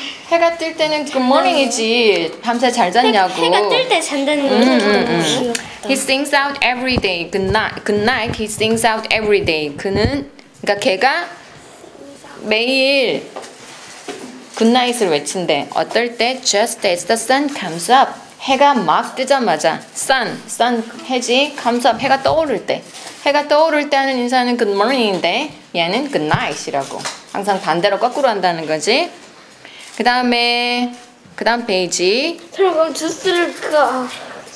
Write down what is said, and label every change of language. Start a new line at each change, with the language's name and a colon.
Korean: 해가 뜰 때는 Good morning이지. 밤새 잘 잤냐고. 해가 뜰 때 잔다는 거.
English: He sings out every day. Good night. He sings out every day.
Korean: 그는 그러니까 걔가 매일 Good night을 외친대. 어떨 때
English: just as the sun comes up.
Korean: 해가 막 뜨자마자 sun 해지 comes up 해가 떠오를 때 하는 인사는 good morning인데 얘는 good night이라고 항상 반대로 거꾸로 한다는 거지. 그다음 페이지. 그럼 주스를 그